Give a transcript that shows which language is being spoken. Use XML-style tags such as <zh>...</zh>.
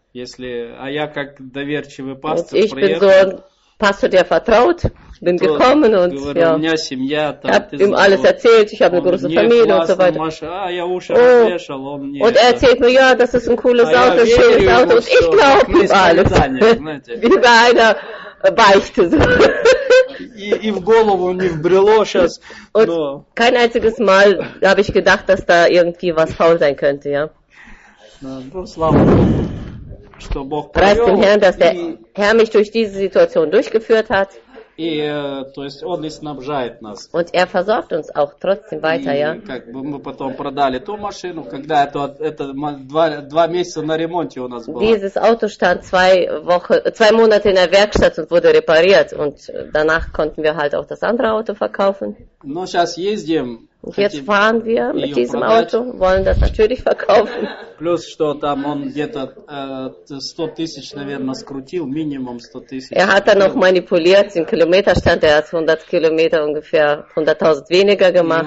<de>ich bin so ein Pastor, der vertraut, bin gekommen und ja, habe ihm alles erzählt, ich habe eine große Familie und so weiter. Und er erzählt mir, ja, das ist ein cooles Auto, ein schönes Auto und ich glaube ihm alles. Wie bei einer Beichte.</de> <ru>И в голову не вбрело сейчас.</ru> <de>Kein einziges Mal habe ich gedacht, dass da irgendwie was faul sein könnte, ja. Preis dem Herrn, dass der Herr mich durch diese Situation durchgeführt hat.</de> <ru>И, то есть, он и снабжает нас.</ru> <de>Und er versorgt uns auch trotzdem weiter,</de> <ru>и,</ru> <de>ja.</de> <ru>Как бы мы потом продали ту машину, когда это два месяца на ремонте у нас было.</ru> <de>Dieses Auto stand zwei Monate in der Werkstatt und wurde repariert. Und danach konnten wir halt auch das andere Auto verkaufen.</de> <ru>Но сейчас ездим.</ru> <de>Und jetzt fahren wir mit diesem Auto, wollen das natürlich verkaufen.</de> <ru>Плюс, что там он где-то 100 тысяч, наверное, скрутил, минимум 100 тысяч.</ru> <de>Er hat dann noch manipuliert, den Kilometerstand, er hat 100 Kilometer ungefähr 100.000 weniger gemacht.</de>